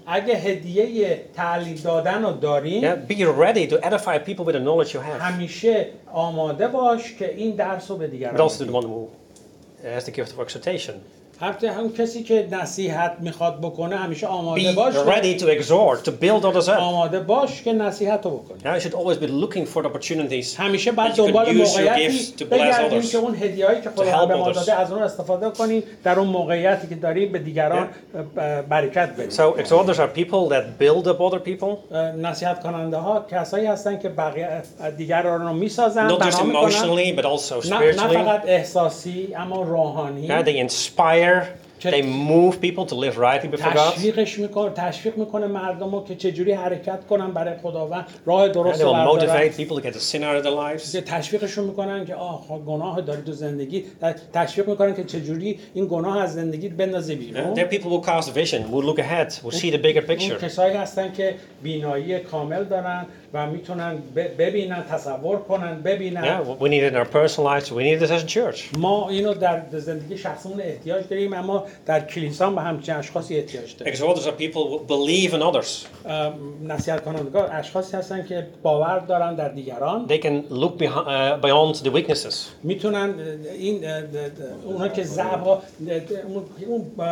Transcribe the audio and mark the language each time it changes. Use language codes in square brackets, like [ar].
[fa] اگه هدیه تعلیم دادن رو داری. [en] Be ready to edify people with the knowledge you have. [fa] همیشه آماده باش که این درس رو به دیگران بدی. [en] Also the one who has the gift of exhortation. [fa] حتی هم کسی که نصیحت میخواد بکنه همیشه آماده باش. [en] Be ready to exhort, to build others up. [fa] آماده باش که نصیحت رو بکنی. [en] You should always be looking for the opportunities. [fa] همیشه باید دنبال موقعیتی بگردیم که اون هدیه‌ای که خدا به ما داده از اون استفاده کنیم، در اون موقعیتی که داریم به دیگران برکت بدیم. [en] So exhorters are people that build up other people. [fa] نصیحت کننده ها کسایی هستن که بقیه دیگران رو میسازن، [en] not just emotionally but also spiritually. [fa] نه فقط احساسی اما روحانی. [en] They inspire. They move people to live rightly before God. [fa] تشویق میکنه مردم رو که چجوری حرکت کنن برای خداوند، راه درست [en] برای motivate people to get the sin out of their lives. [fa] تشویقشون میکنن که گناه داری تو زندگی، تشویق میکنن که چجوری این گناه از زندگیت بندازی بیرون. [en] There people will cast vision, will look ahead, will see the bigger picture. [fa] کسایی هستن که بینایی کامل دارن و میتونن ببینن، تصور کنن، ببینن. [en] Yeah, we need it in our personal lives. We need this as a church. [fa] ما اینو در زندگی شخصمون احتیاج داریم، اما در کلیسا به همچین اشخاصی احتیاج داریم. [en] Exhorters are people who believe in others. [fa] نصیحت کنندگان اشخاصی هستن که باور دارن در دیگران. [en] They can look beyond the weaknesses. [fa] میتونن این اونها که ضعف اون